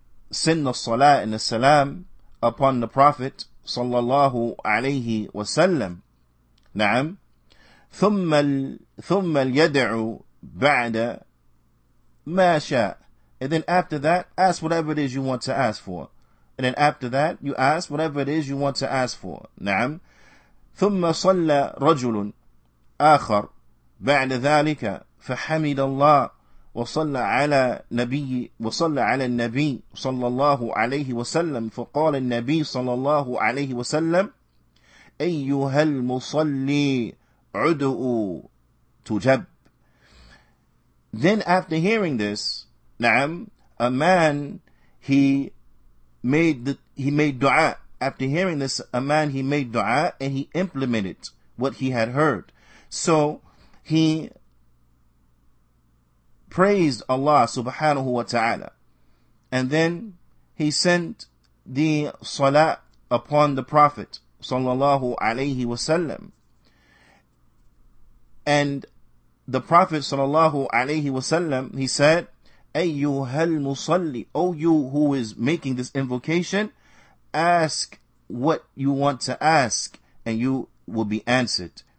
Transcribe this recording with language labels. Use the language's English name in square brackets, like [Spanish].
[English] send the salah and the salam upon the Prophet sallallahu alayhi wa sallam, na'am, [Arabic] thumma al-yad'u ba'da ma sha', [English] and then after that ask whatever it is you want to ask for. And then after that, you ask whatever it is you want to ask for. نعم. [Arabic] ثم صلى رجل آخر بعد ذلك فحمد الله وصلى على نبي وصلى على النبي صلى الله عليه وسلم فقال النبي صلى الله عليه وسلم أيها المصلي عدؤ تجب. [English] Then after hearing this, نعم, a man, he made dua. After hearing this, a man, he made dua and he implemented what he had heard. So he praised Allah subhanahu wa ta'ala, and then he sent the salat upon the Prophet sallallahu alayhi wa sallam, and the Prophet sallallahu alayhi wa sallam, he said, [Arabic] Ayyuhal musalli, [English] O you who is making this invocation, ask what you want to ask and you will be answered.